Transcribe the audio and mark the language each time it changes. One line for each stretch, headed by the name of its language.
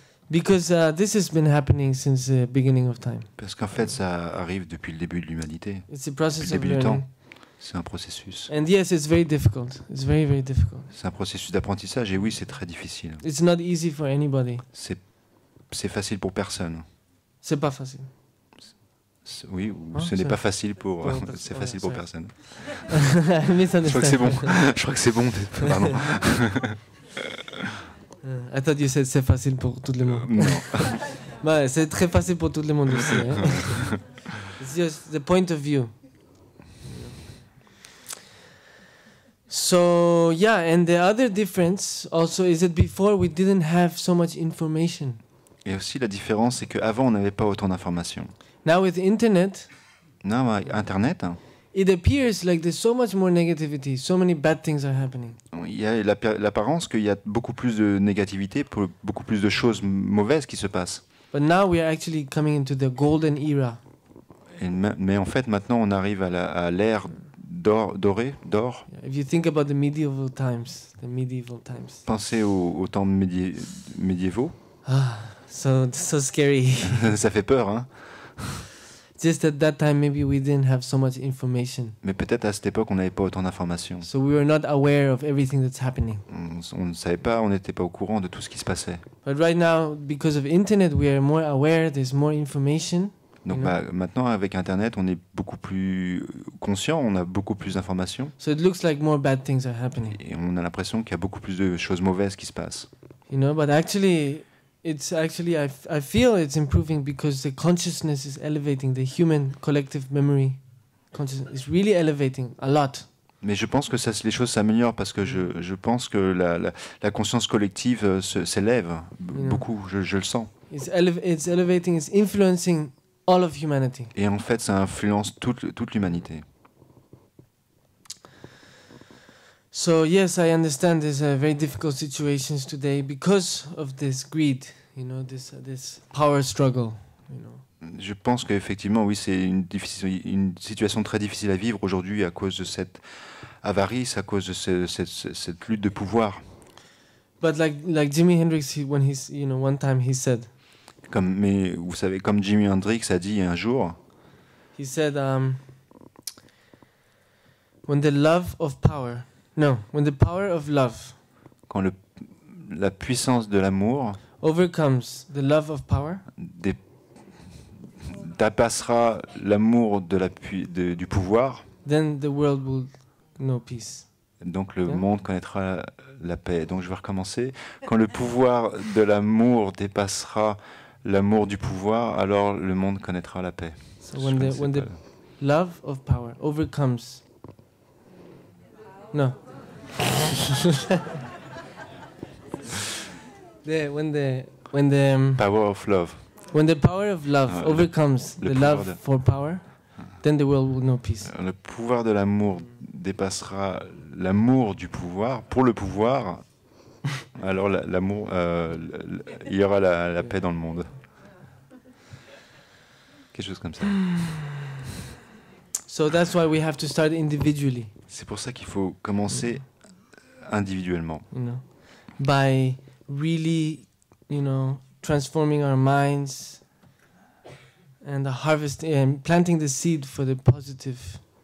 English: Because this has been happening since the beginning of time.
French: Parce qu'en fait ça arrive depuis le début de l'humanité.
English: It's a process of learning.
French: C'est un processus.
English: And yes, it's very difficult. It's very, very difficult.
French: C'est un processus d'apprentissage et oui, c'est très difficile.
English: It's not easy for anybody.
French: C'est facile pour personne. C'est pas facile. Ce n'est pas facile pour. C'est facile pour personne. Mais ça ne. Je crois que c'est bon. Je crois que c'est bon. Pardon.
English: I thought you said
French: c'est facile pour tout le monde. Non. Bah, c'est très facile pour tout le monde aussi.
English: Hein. It's just the point of view. So yeah, and the other difference also is that before we didn't have so much information.
French: Et aussi la différence c'est que avant on n'avait pas autant d'informations.
English: Now with internet. Now internet. It appears like there's so much more negativity, so many bad things are happening.
French: Il y a l'apparence qu'il y a beaucoup plus de négativité, beaucoup plus de choses mauvaises qui se passent.
English: But now we are actually coming into the golden era.
French: Mais en fait maintenant on arrive à l'ère d'or.
English: If you think about the medieval times.
French: Pensez au temps médiévaux.
English: Ah, so scary.
French: Ça fait peur, hein.
English: Just at that time, maybe we didn't have so much information.
French: Mais peut-être à cette époque, on n'avait pas autant d'informations.
English: So we were not aware of everything that's happening.
French: On ne savait pas, on n'était pas au courant de tout ce qui se passait.
English: But right now, because of internet, we are more aware. There's more information.
French: Donc maintenant, avec Internet, on est beaucoup plus conscient, on a beaucoup plus d'informations.
English: So it looks like more bad things are happening.
French: Et on a l'impression qu'il y a beaucoup plus de choses mauvaises qui se passent.
English: You know, but actually, it's actually I feel it's improving because the consciousness is elevating, the human collective memory consciousness is really elevating a lot.
French: Mais je pense que ça, les choses s'améliorent parce que je pense que la conscience collective s'élève beaucoup. Je le sens.
English: It's elevating. It's influencing. All of humanity.
French: Et en fait, ça influence toute l'humanité.
English: So yes, I understand there's a very difficult situation today because of this greed, you know, this power struggle, you know.
French: Je pense qu'effectivement, oui, c'est une situation très difficile à vivre aujourd'hui à cause de cette avarice, à cause de cette lutte de pouvoir.
English: But like Jimi Hendrix, when he's, you know, one time he said.
French: Comme, mais vous savez, comme Jimi Hendrix a dit un jour.
English: He said, when the love of power, no, when the power of love.
French: Quand la puissance de l'amour.
English: Overcomes the love of power.
French: Dépassera l'amour de du pouvoir.
English: Then the world will know peace.
French: Donc le monde connaîtra la paix. Donc je vais recommencer. Quand le pouvoir de l'amour dépassera l'amour du pouvoir, alors le monde connaîtra la paix.
English: So when the love of power overcomes. No. when the power of love. When the power of love overcomes the love for power, then the world will know peace.
French: Le pouvoir de l'amour dépassera l'amour du pouvoir. Pour le pouvoir, alors l'amour, il y aura la paix dans le monde. Quelque chose comme ça.
English: So that's why we have to start individually.
French: C'est pour ça qu'il faut commencer individuellement.
English: You know, by really, you know, transforming our minds and the harvest and planting the seed for the positive.